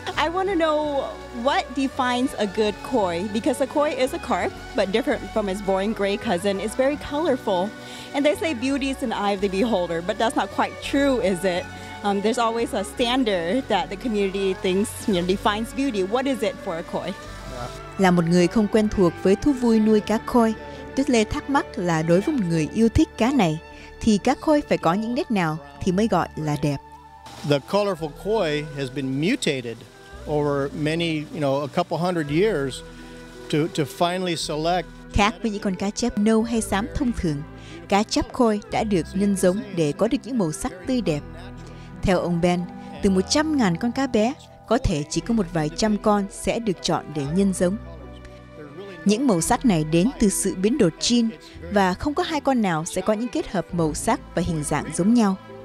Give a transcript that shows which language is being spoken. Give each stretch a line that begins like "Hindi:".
English: I want to know what defines a good koi, because a koi is a carp, but different from its boring gray cousin, it's very colorful. And they say beauty is in the eye of the beholder, but that's not quite true, is it? There's always a standard that the community thinks defines beauty. What is it for a koi?
Vietnamese: Là một người không quen thuộc với thú vui nuôi cá khôi, Tuyết Lê thắc mắc là đối với một người yêu thích cá này, thì cá khôi phải có những nét nào thì mới gọi là đẹp.
English: The colorful koi has been mutated over many, a couple hundred years to finally select.
Vietnamese: Khác với những con cá chép nâu hay xám thông thường, cá chép khôi đã được nhân giống để có được những màu sắc tươi đẹp. Theo ông Ben, từ 100.000 con cá bé, có thể chỉ có một vài trăm con sẽ được chọn để nhân giống. Những màu sắc này đến từ sự biến đổi gen và không có hai con nào sẽ có những kết hợp màu sắc và hình dạng giống nhau.